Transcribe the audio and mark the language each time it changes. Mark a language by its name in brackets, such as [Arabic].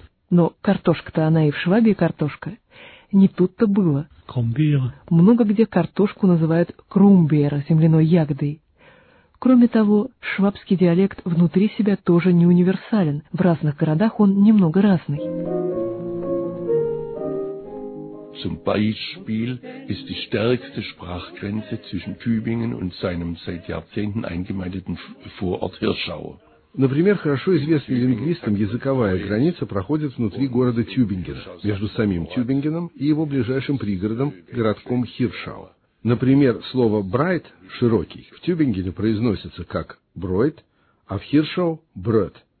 [Russian] Но картошка-то она и в Швабии картошка. Не тут-то было. Много где картошку называют крумбиер, земляной ягодой. Кроме того, швабский диалект внутри себя тоже не универсален. В разных городах он немного разный. [German] Zum Beispiel ist die stärkste Sprachgrenze zwischen Tübingen und seinem seit Jahrzehnten eingemeindeten Vorort Hirschau. [Russian] Например, хорошо известная лингвистам языковая граница проходит внутри города Тюбингена, между самим Тюбингеном и его ближайшим пригородом, городком Хиршау. Например, слово «брайт» – «широкий» в Тюбингене произносится как «бройт», а в Хиршау – «брет».